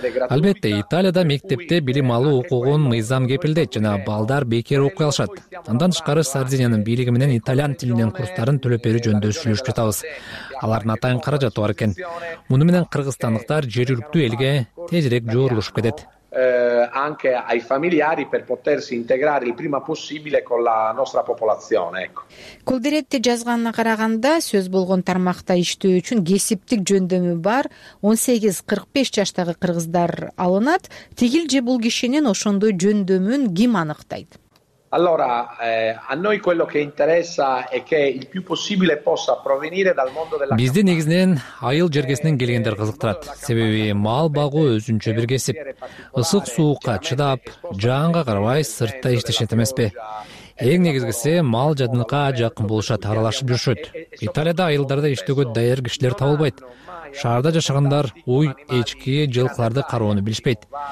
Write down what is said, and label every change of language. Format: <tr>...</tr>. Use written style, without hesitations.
<ky>Албетте, Италияда мектепте билим алуу укугун мыйзам кепилдейт жана балдар бекер окуй алышат. Андан тышкары Сардиниянын бийлиги менен итальян тилинин курстарын төлөп берүү жөнүндө сүйлөшүп жатабыз. Алардын атайын каражаты бар экен. Муну менен кыргызстандыктар жергиликтүү элге тезирээк жоорулушуп кетет.</ky> <it>Anche ai familiari per potersi integrare il prima possibile con la nostra popolazione.</it> <ky>Кулдиретти жазганына караганда, сөз болгон тармакта иштөө үчүн кесиптик жөндөмү бар 18-45 жаштагы кыргыздар алынат. Тигил же бул кишинин ошондой жөндөмүн ким аныктайт?</ky> <it>Allora, a noi quello che interessa è che il più possibile possa provenire dal mondo della.</it> <ky>Бизди негизинен айыл жергесинен келгендер кызыктырат. Себеби мал багуу өзүнчө бир кесип. Ысык суукка чыдап, жаанга карабай сыртта иштешет эмеспи? Эң негизгиси мал жадыныкка жакын болушат, аралашып жүрүшөт. Италияда айылдарда иштөөгө даяр кишилер табылбайт. Шаарда жашагандар уй, эчки, жылкыларды кароону билишпейт.</ky>